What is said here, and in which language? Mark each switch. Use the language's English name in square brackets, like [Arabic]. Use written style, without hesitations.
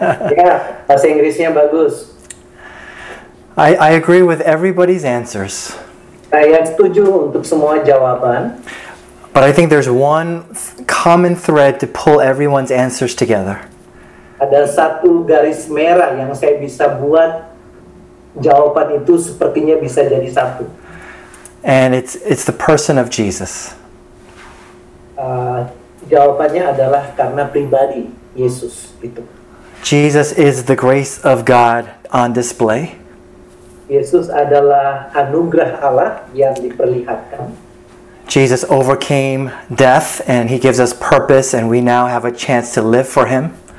[Indonesian] Yeah, bahasa Inggrisnya bagus. [English] I agree with everybody's answers. [Indonesian] Saya setuju untuk semua jawaban. [English] But I think there's one common thread to pull everyone's answers together. [Indonesian] Ada satu garis merah yang saya bisa buat jawaban itu sepertinya bisa jadi satu. [English] And it's the person of Jesus. [Indonesian] Jawabannya adalah karena pribadi Yesus itu. [English] Jesus is the grace of God on display. [Indonesian] Yesus adalah anugerah Allah yang diperlihatkan. [English] Jesus overcame death and he gives us purpose and we now have a chance to live for him.